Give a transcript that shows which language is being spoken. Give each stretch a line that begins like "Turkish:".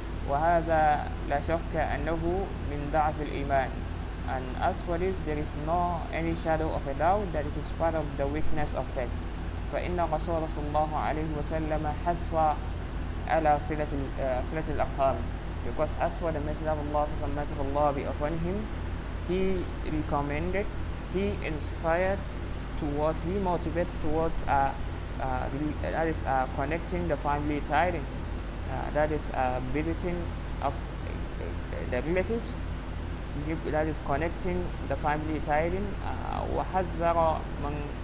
Arabic: وهذا لا شك أنه من ضعف الإيمان.
English: And as for this, there is no any shadow of a doubt that it is part of the weakness of faith.
Arabic: فإن رسول صلى الله عليه وسلم حس على صلة الأرحام.
English: Because as for the Messenger of Allah, peace and blessings of Allah be upon him, he recommended, he inspired towards, he motivates towards that is connecting the family tie, that is visiting of the relatives, that is connecting the family tie,
Arabic: وَحَذَّرَ مَنْ